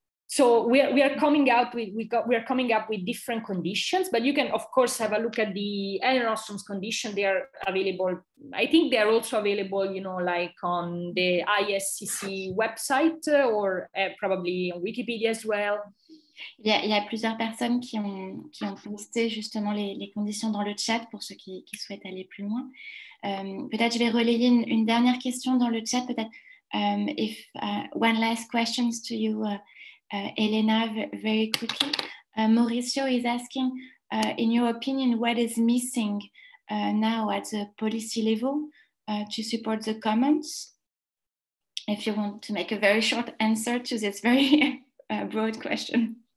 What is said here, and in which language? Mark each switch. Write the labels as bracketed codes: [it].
[en] So we are coming up with different conditions, but you can of course have a look at the Ellen Ostrom's condition. They are available. I think they are also available, you know, like on the ISCC website or probably on Wikipedia as well. [fr] Il y a plusieurs personnes qui ont posté justement les conditions dans le chat pour ceux qui souhaitent aller plus loin. Peut-être je vais relayer une dernière question dans le chat. Peut-être [en] one last question to you. Elena, very quickly, Mauricio is asking, in your opinion, what is missing now at the policy level to support the commons? If you want to make a very short answer to this very broad question.